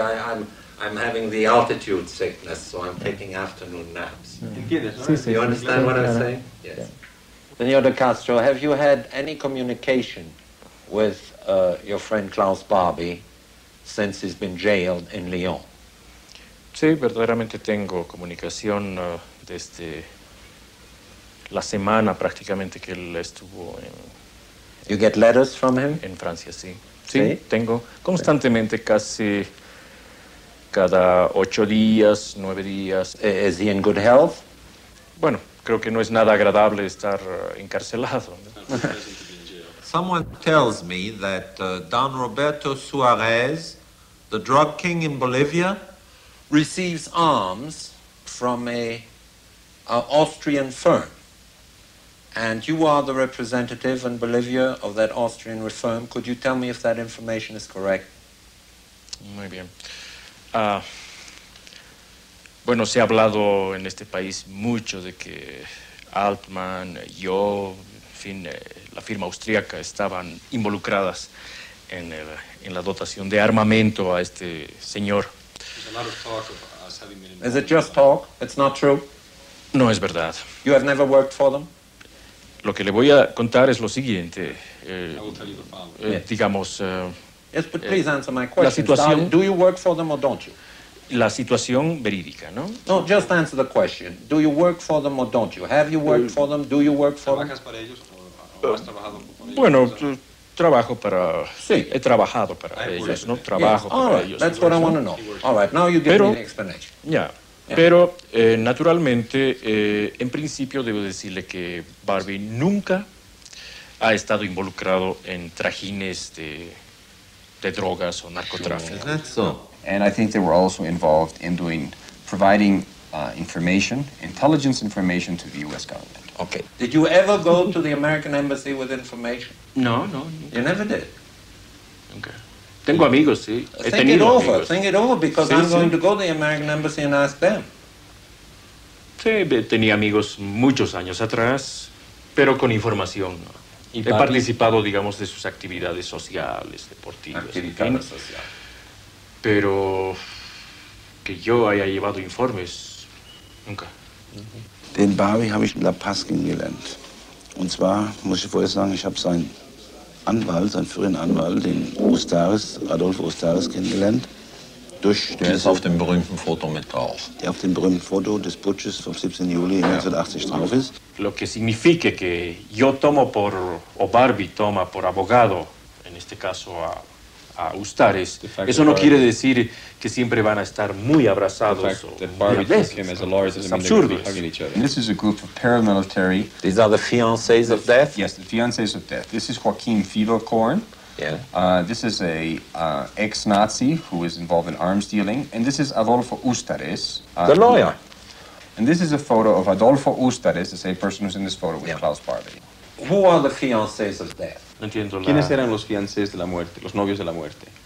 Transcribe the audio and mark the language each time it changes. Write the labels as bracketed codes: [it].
[en] I'm having the altitude sickness, so I'm taking afternoon naps. Yeah. You understand what I'm saying? Yes. Yeah. Señor de Castro, have you had any communication with your friend Klaus Barbie since he's been jailed in Lyon? [es] Sí, verdaderamente tengo comunicación desde la semana prácticamente que él estuvo en... [en] You get letters from him? [es] En Francia, sí. Sí, tengo constantemente casi cada 8 días, 9 días. [en] Is he in good health? [es] Bueno, creo que no es nada agradable estar encarcelado. ¿No? [en] Someone tells me that Don Roberto Suarez, the drug king in Bolivia, receives arms from an Austrian firm. And you are the representative in Bolivia of that Austrian firm. Could you tell me if that information is correct? [es] Muy bien. Bueno, se ha hablado en este país mucho de que Altman, yo, en fin, la firma austríaca estaban involucradas en la dotación de armamento a este señor. [en] Is it just talk? It's not true? [es] No es verdad. [en] You have never worked for them? [es] Lo que le voy a contar es lo siguiente. Digamos... [en] Yes, but please answer my question. [es] La situación, [en] do you work for them or don't you? [es] La situación verídica, ¿no? [en] No, just answer the question. Do you work for them or don't you? Have you worked for them? Do you work for them? [es] ¿Trabajas para ellos o has trabajado por ellos? Bueno, trabajo para... Sí. He trabajado para ellos, ¿no? Trabajo [en] yeah. [es] para [en] right. [es] ellos. [en] All right, that's what I want to know. All right, now you give [es] pero, [en] me the explanation. Yeah. [es] Pero, naturalmente, en principio debo decirle que Barbie nunca ha estado involucrado en trajines de drogas o narcotráfico. [en] Sure. Is that so? And I think they were also involved in doing, providing information, intelligence information to the U.S. government. Okay. Did you ever go to the American embassy with information? [es] No, nunca. [en] You never did? Okay. [es] Tengo amigos, sí. [en] Think it over, because I'm going to go to the American embassy and ask them. [es] Sí, tenía amigos muchos años atrás, pero con información. ¿Y he participado, digamos, de sus actividades sociales, deportivas. Actividades sociales. Pero que yo haya llevado informes, nunca. [de] Den Barbie habe ich in La Paz kennengelernt. Und zwar muss ich vorher sagen, ich habe seinen Anwalt, seinen früheren Anwalt, den Ustaris, Adolfo Ustaris, kennengelernt. Durch der ist auf dem berühmten Foto mit drauf. Der auf dem berühmten Foto des Putsches vom 17. Juli 1980 drauf ist. [es] Lo que significa que yo tomo por, o Barbie toma por abogado, en este caso a Ustaris. Eso no quiere decir que siempre van a estar muy abrazados. [en] The fact that Barbie took him as a lawyer doesn't mean they're hugging each other. And this is a group of paramilitary. These are the fiancés of death? Yes, the fiancés of death. This is Joaquin Fiedelkorn. Yeah. This is a ex-Nazi who is involved in arms dealing. And this is Adolfo Ustaris. The lawyer. And this is a photo of Adolfo Ustaris, the same person who's in this photo with Klaus Barbie. Who are the fiancés of death? [es] No entiendo la... ¿Quiénes eran los fiancés de la muerte, los novios de la muerte?